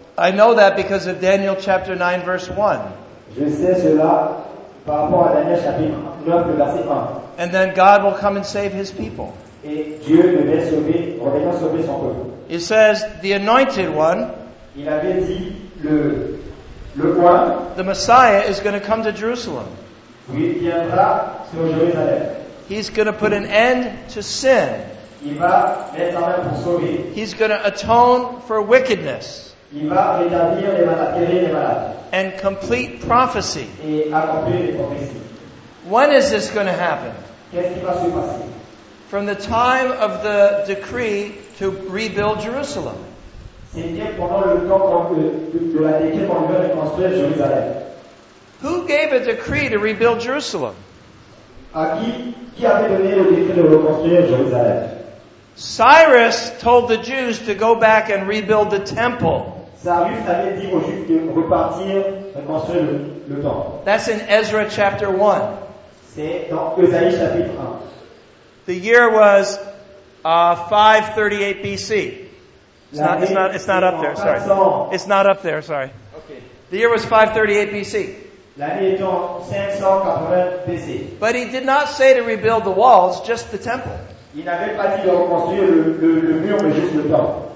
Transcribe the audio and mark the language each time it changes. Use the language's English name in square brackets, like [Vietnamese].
[English] I know that because of Daniel chapter 9 verse 1. [French] Je sais cela par rapport à Daniel chapitre 9 verset 1. [English] And then God will come and save his people. [French] Et Dieu devait sauver, revenir sauver son peuple. [English] It says the anointed one. [French] Il avait dit le roi. [English] The Messiah is going to come to Jerusalem. [French] Il viendra sur Jérusalem. [English] He's going to put an end to sin. [French] Il va mettre en main pour sauver. [English] He's going to atone for wickedness. [French] Il va rétablir les malades, guérir les malades. [English] And complete prophecy. [French] Et accomplir les prophéties. [English] When is this going to happen? [French] Qu'est-ce qui va se passer? [English] From the time of the decree to rebuild Jerusalem. [French] C'est-à-dire pendant le temps de la décrée pour reconstruire Jérusalem. [English] Who gave a decree to rebuild Jerusalem? [French] qui avait donné le décret de reconstruire Jérusalem. [English] Cyrus told the Jews to go back and rebuild the temple. [French] Cyrus avait dit aux Juifs de repartir et construire le temple. [English] That's in Ezra chapter 1. [French] C'est dans Ésaïe chapitre 1. [English] The year was 538 BC. It's not up there, sorry. Okay. The year was 538 BC. [French] L'année étant 580 BC. [English] But he did not say to rebuild the walls, just the temple. [French] Il n'avait pas dit de reconstruire le mur, mais juste le temple.